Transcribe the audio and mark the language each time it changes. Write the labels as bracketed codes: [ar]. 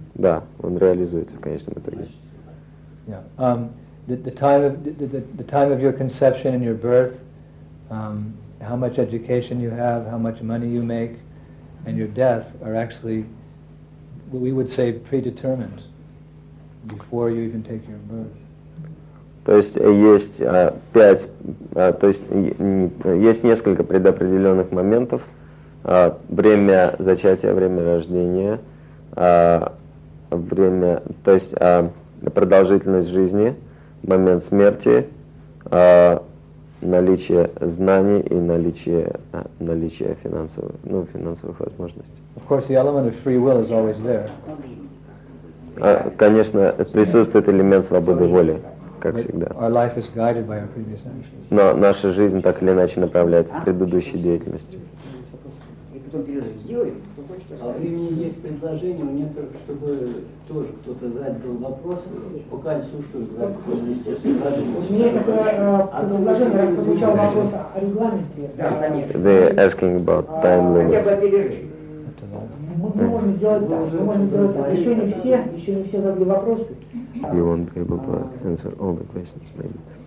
[ru] Да, он реализуется в конечном итоге. [en] Yeah. The time of your conception and your birth, how much education you have, how much money you make, and your death are actually, we would say, predetermined before you even take your birth. [ru] То есть есть пять, то есть есть несколько предопределенных моментов: время зачатия, время рождения, время, то есть продолжительность жизни, момент смерти, наличие знаний и наличие финансовых, ну, финансовых возможностей. [en] Of course, the element of free will is always there. [ru] Конечно, присутствует элемент свободы воли. Как всегда. [en] Our life is guided by our previous actions. [ru] Но наша жизнь так или иначе направляется предыдущей деятельностью. И потом перерыв сделаем. А времени есть предложение, у меня только, чтобы тоже кто-то задал вопрос, пока не слушают. У меня такое предложение, я получал вопрос о регламенте. Да, конечно. [en] They're asking about time limits. [ru] Мы можем сделать так, мы можем сделать так. Еще не все задали вопросы. [en] You won't be able to answer all the questions, maybe.